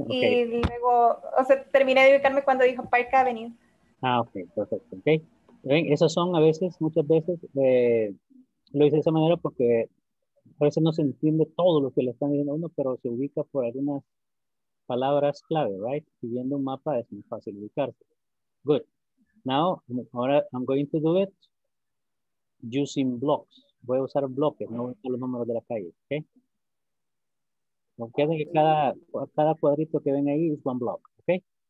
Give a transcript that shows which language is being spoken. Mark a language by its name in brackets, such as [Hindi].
[Spanish] Okay. Y luego, o sea, terminé de ubicarme cuando dijo Park Avenue. Ah, ok, perfecto. Ok. ¿Ven? Esas son a veces, muchas veces, lo hice de esa manera porque a veces no se entiende todo lo que le están diciendo a uno, pero se ubica por algunas palabras clave, [English] right? [Spanish] Y viendo un mapa es muy fácil ubicarse. [English] Good. Now, [Spanish] ahora [English] I'm going to do it using blocks. [Spanish] Voy a usar bloques, no voy a usar los números de la calle, okay? Porque hace que cada cuadrito que ven ahí es [English] one block, [Spanish] okay?